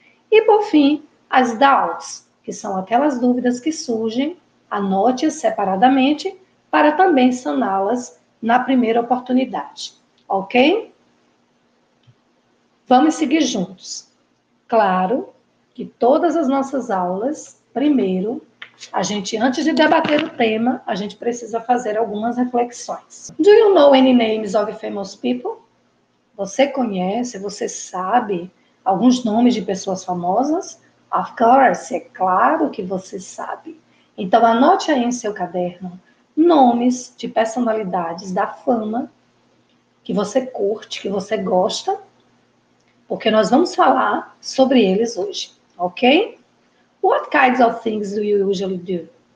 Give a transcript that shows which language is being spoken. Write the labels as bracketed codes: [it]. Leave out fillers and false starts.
[pt] E por fim, as doubts, que são aquelas dúvidas que surgem, anote-as separadamente para também saná-las na primeira oportunidade. Ok? Vamos seguir juntos. Claro que todas as nossas aulas, primeiro, a gente, antes de debater o tema, a gente precisa fazer algumas reflexões. [en] Do you know any names of famous people? [pt] Você conhece, você sabe alguns nomes de pessoas famosas? [en] Of course, [pt] é claro que você sabe. Então, anote aí em seu caderno nomes de personalidades da fama que você curte, que você gosta, porque nós vamos falar sobre eles hoje, ok? [en] What kinds of things do you usually do?